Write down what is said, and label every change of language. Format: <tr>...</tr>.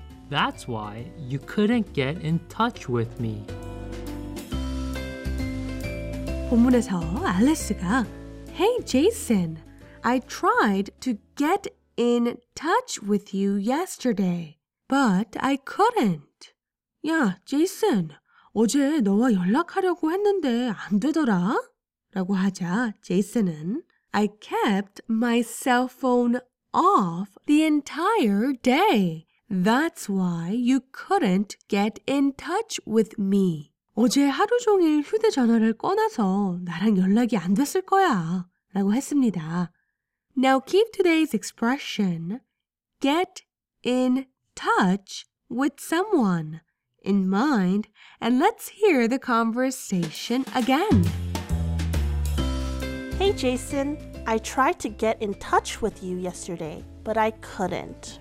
<en>That's why you couldn't get in touch with me.</en> <ko>본문에서 알리스가 Hey, Jason.</ko> <en>I tried to get in touch with you yesterday, but I couldn't.</en> <ko>야, 제이슨, 어제 너와 연락하려고 했는데 안 되더라? 라고 하자 제이슨은</ko> <en>I kept my cell phone off the entire day. That's why you couldn't get in touch with me.</en> <ko>어제 하루 종일 휴대전화를 꺼놔서 나랑 연락이 안 됐을 거야 라고 했습니다.</ko> <en>Now keep today's expression, get in touch with someone, in mind, and let's hear the conversation again. Hey Jason, I tried to get in touch with you yesterday, but I couldn't.</en>